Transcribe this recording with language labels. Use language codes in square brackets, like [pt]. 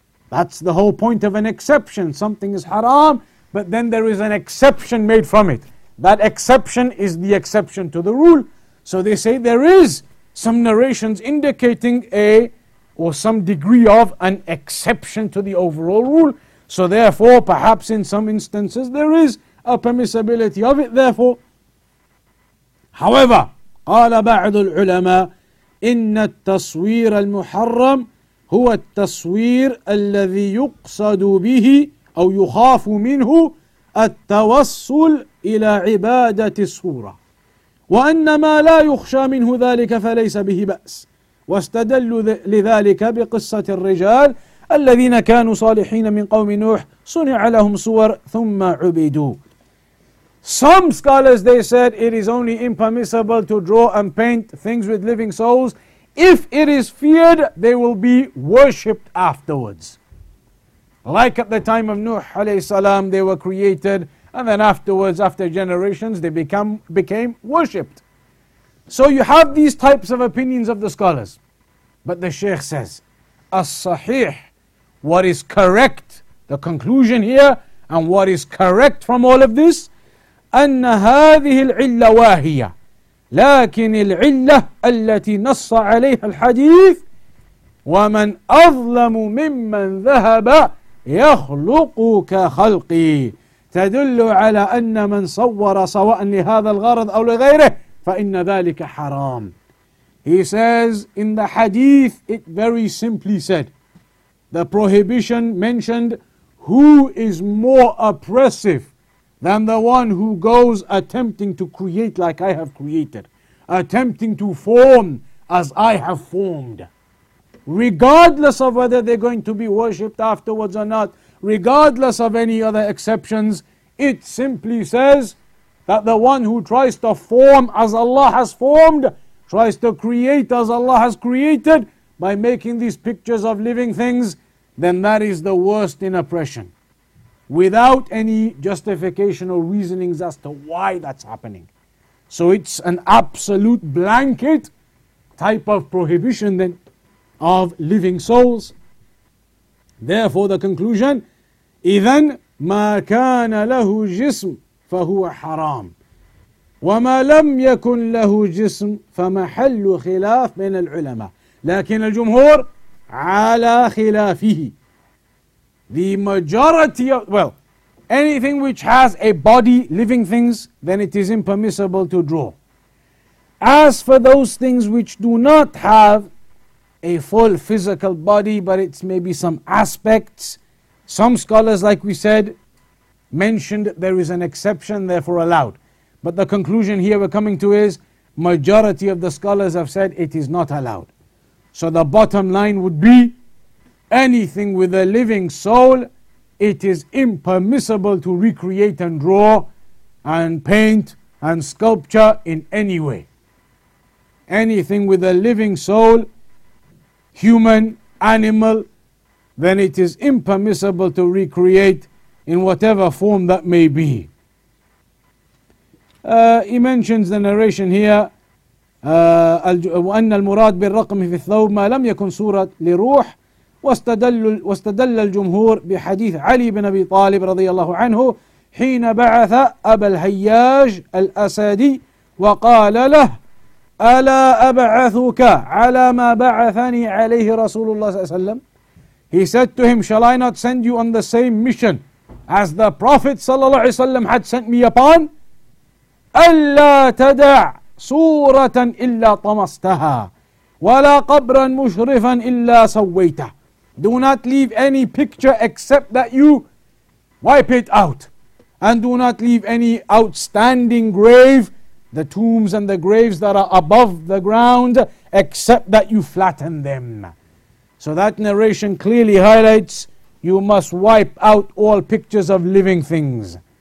[en] That's the whole point of an exception. Something is haram, but then there is an exception made from it. That exception is the exception to the rule. So they say there is some narrations indicating a, or some degree of, an exception to the overall rule. So therefore, perhaps in some instances, there is a permissibility of it. Therefore, however, [ar] قال بعض العلماء إن التصوير المحرم هو التصوير الذي يقصد به أو يخاف منه التوصل إلى عبادة الصورة وأن ما لا يخشى منه ذلك فليس به بأس واستدلوا لذلك بقصة الرجال الذين كانوا صالحين من قوم نوح صنع لهم صور ثم عبدوا. [en] Some scholars, they said, it is only impermissible to draw and paint things with living souls if it is feared they will be worshipped afterwards. Like at the time of Nuh alayhi salam, they were created, and then afterwards, after generations, they became worshipped. So you have these types of opinions of the scholars. But the Shaykh says, as-sahih, what is correct, the conclusion here, and what is correct from all of this, [ar] أن هذه العلة واهية لكن العلة التي نص عليها الحديث ومن أظلم ممن ذهب يخلق كخلقي تدل على أن من صور سواء لهذا الغرض أو لغيره فإن ذلك حرام. [en] He says in the hadith, it very simply said, the prohibition mentioned, who is more oppressive than the one who goes attempting to create like I have created, attempting to form as I have formed. Regardless of whether they're going to be worshipped afterwards or not, regardless of any other exceptions, it simply says that the one who tries to form as Allah has formed, tries to create as Allah has created by making these pictures of living things, then that is the worst in oppression. Without any justification or reasonings as to why that's happening. So it's an absolute blanket type of prohibition then of living souls. Therefore the conclusion, [ar] إذن ما كان له جسم فهو حرام وما لم يكن له جسم فمحل خلاف بين العلماء لكن الجمهور على خلافه. [en] The majority of, well, anything which has a body, living things, then it is impermissible to draw. As for those things which do not have a full physical body, but it's maybe some aspects, some scholars, like we said, mentioned there is an exception, therefore allowed. But the conclusion here we're coming to is, majority of the scholars have said it is not allowed. So the bottom line would be, anything with a living soul, it is impermissible to recreate and draw and paint and sculpture in any way. Anything with a living soul, human, animal, then it is impermissible to recreate in whatever form that may be. He mentions the narration here, [ar] وأن المراد بالرقم في الثوب ما لم يكن صورة لروح واستدل الجمهور بحديث علي بن أبي طالب رضي الله عنه حين بعث أبا الهياج الأسدي وقال له ألا أبعثك على ما بعثني عليه رسول الله صلى الله عليه وسلم. [en] He said to him, shall I not send you on the same mission as the Prophet [ar] صلى الله عليه وسلم [en] had sent me upon. [ar] ألا تدع صورة إلا طمستها ولا قبرا مشرفا إلا سويته. [en] Do not leave any picture except that you wipe it out. And do not leave any outstanding grave, the tombs and the graves that are above the ground, except that you flatten them. So that narration clearly highlights, you must wipe out all pictures of living things.